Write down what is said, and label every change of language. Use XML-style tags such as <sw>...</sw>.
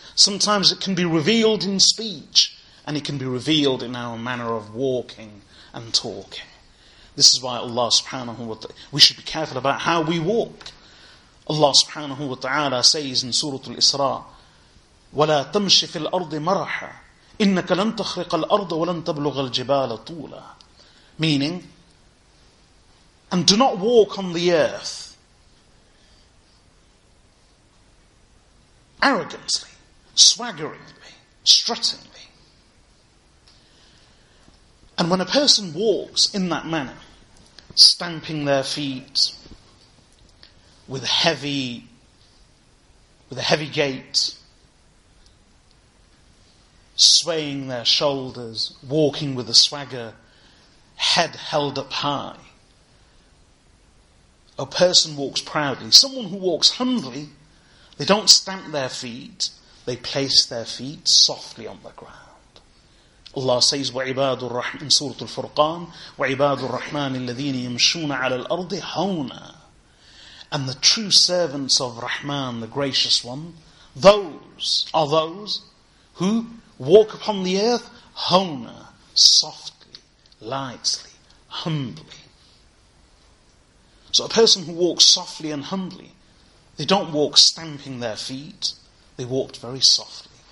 <en>Sometimes it can be revealed in speech, and it can be revealed in our manner of walking and talking. This is why Allah subhanahu wa ta'ala, we should be careful about how we walk. Allah subhanahu wa ta'ala says in Surah Al-Isra,</en> <ar>وَلَا تَمْشِ فِي الْأَرْضِ مَرَحًا إنك لن تخرق الأرض ولن تبلغ الجبال طولا.</ar> <en>Meaning, and do not walk on the earth arrogantly, swaggeringly, struttingly. And when a person walks in that manner, stamping their feet with a heavy gait, swaying their shoulders, walking with a swagger, head held up high. A person walks proudly. Someone who walks humbly, they don't stamp their feet, they place their feet softly on the ground. Allah says,</en> <ar>وَعِبَادُ الرَّحْمَنِ سُورَةُ الْفُرْقَانِ وَعِبَادُ الرَّحْمَنِ الَّذِينِ يَمْشُونَ عَلَى الْأَرْضِ هَوْنًا.</ar> <en>And the true servants of Rahman, the Gracious One, those are those who walk upon the earth, hona, softly, lightly, humbly. So a person who walks softly and humbly, they don't walk stamping their feet, they walked very softly.</en>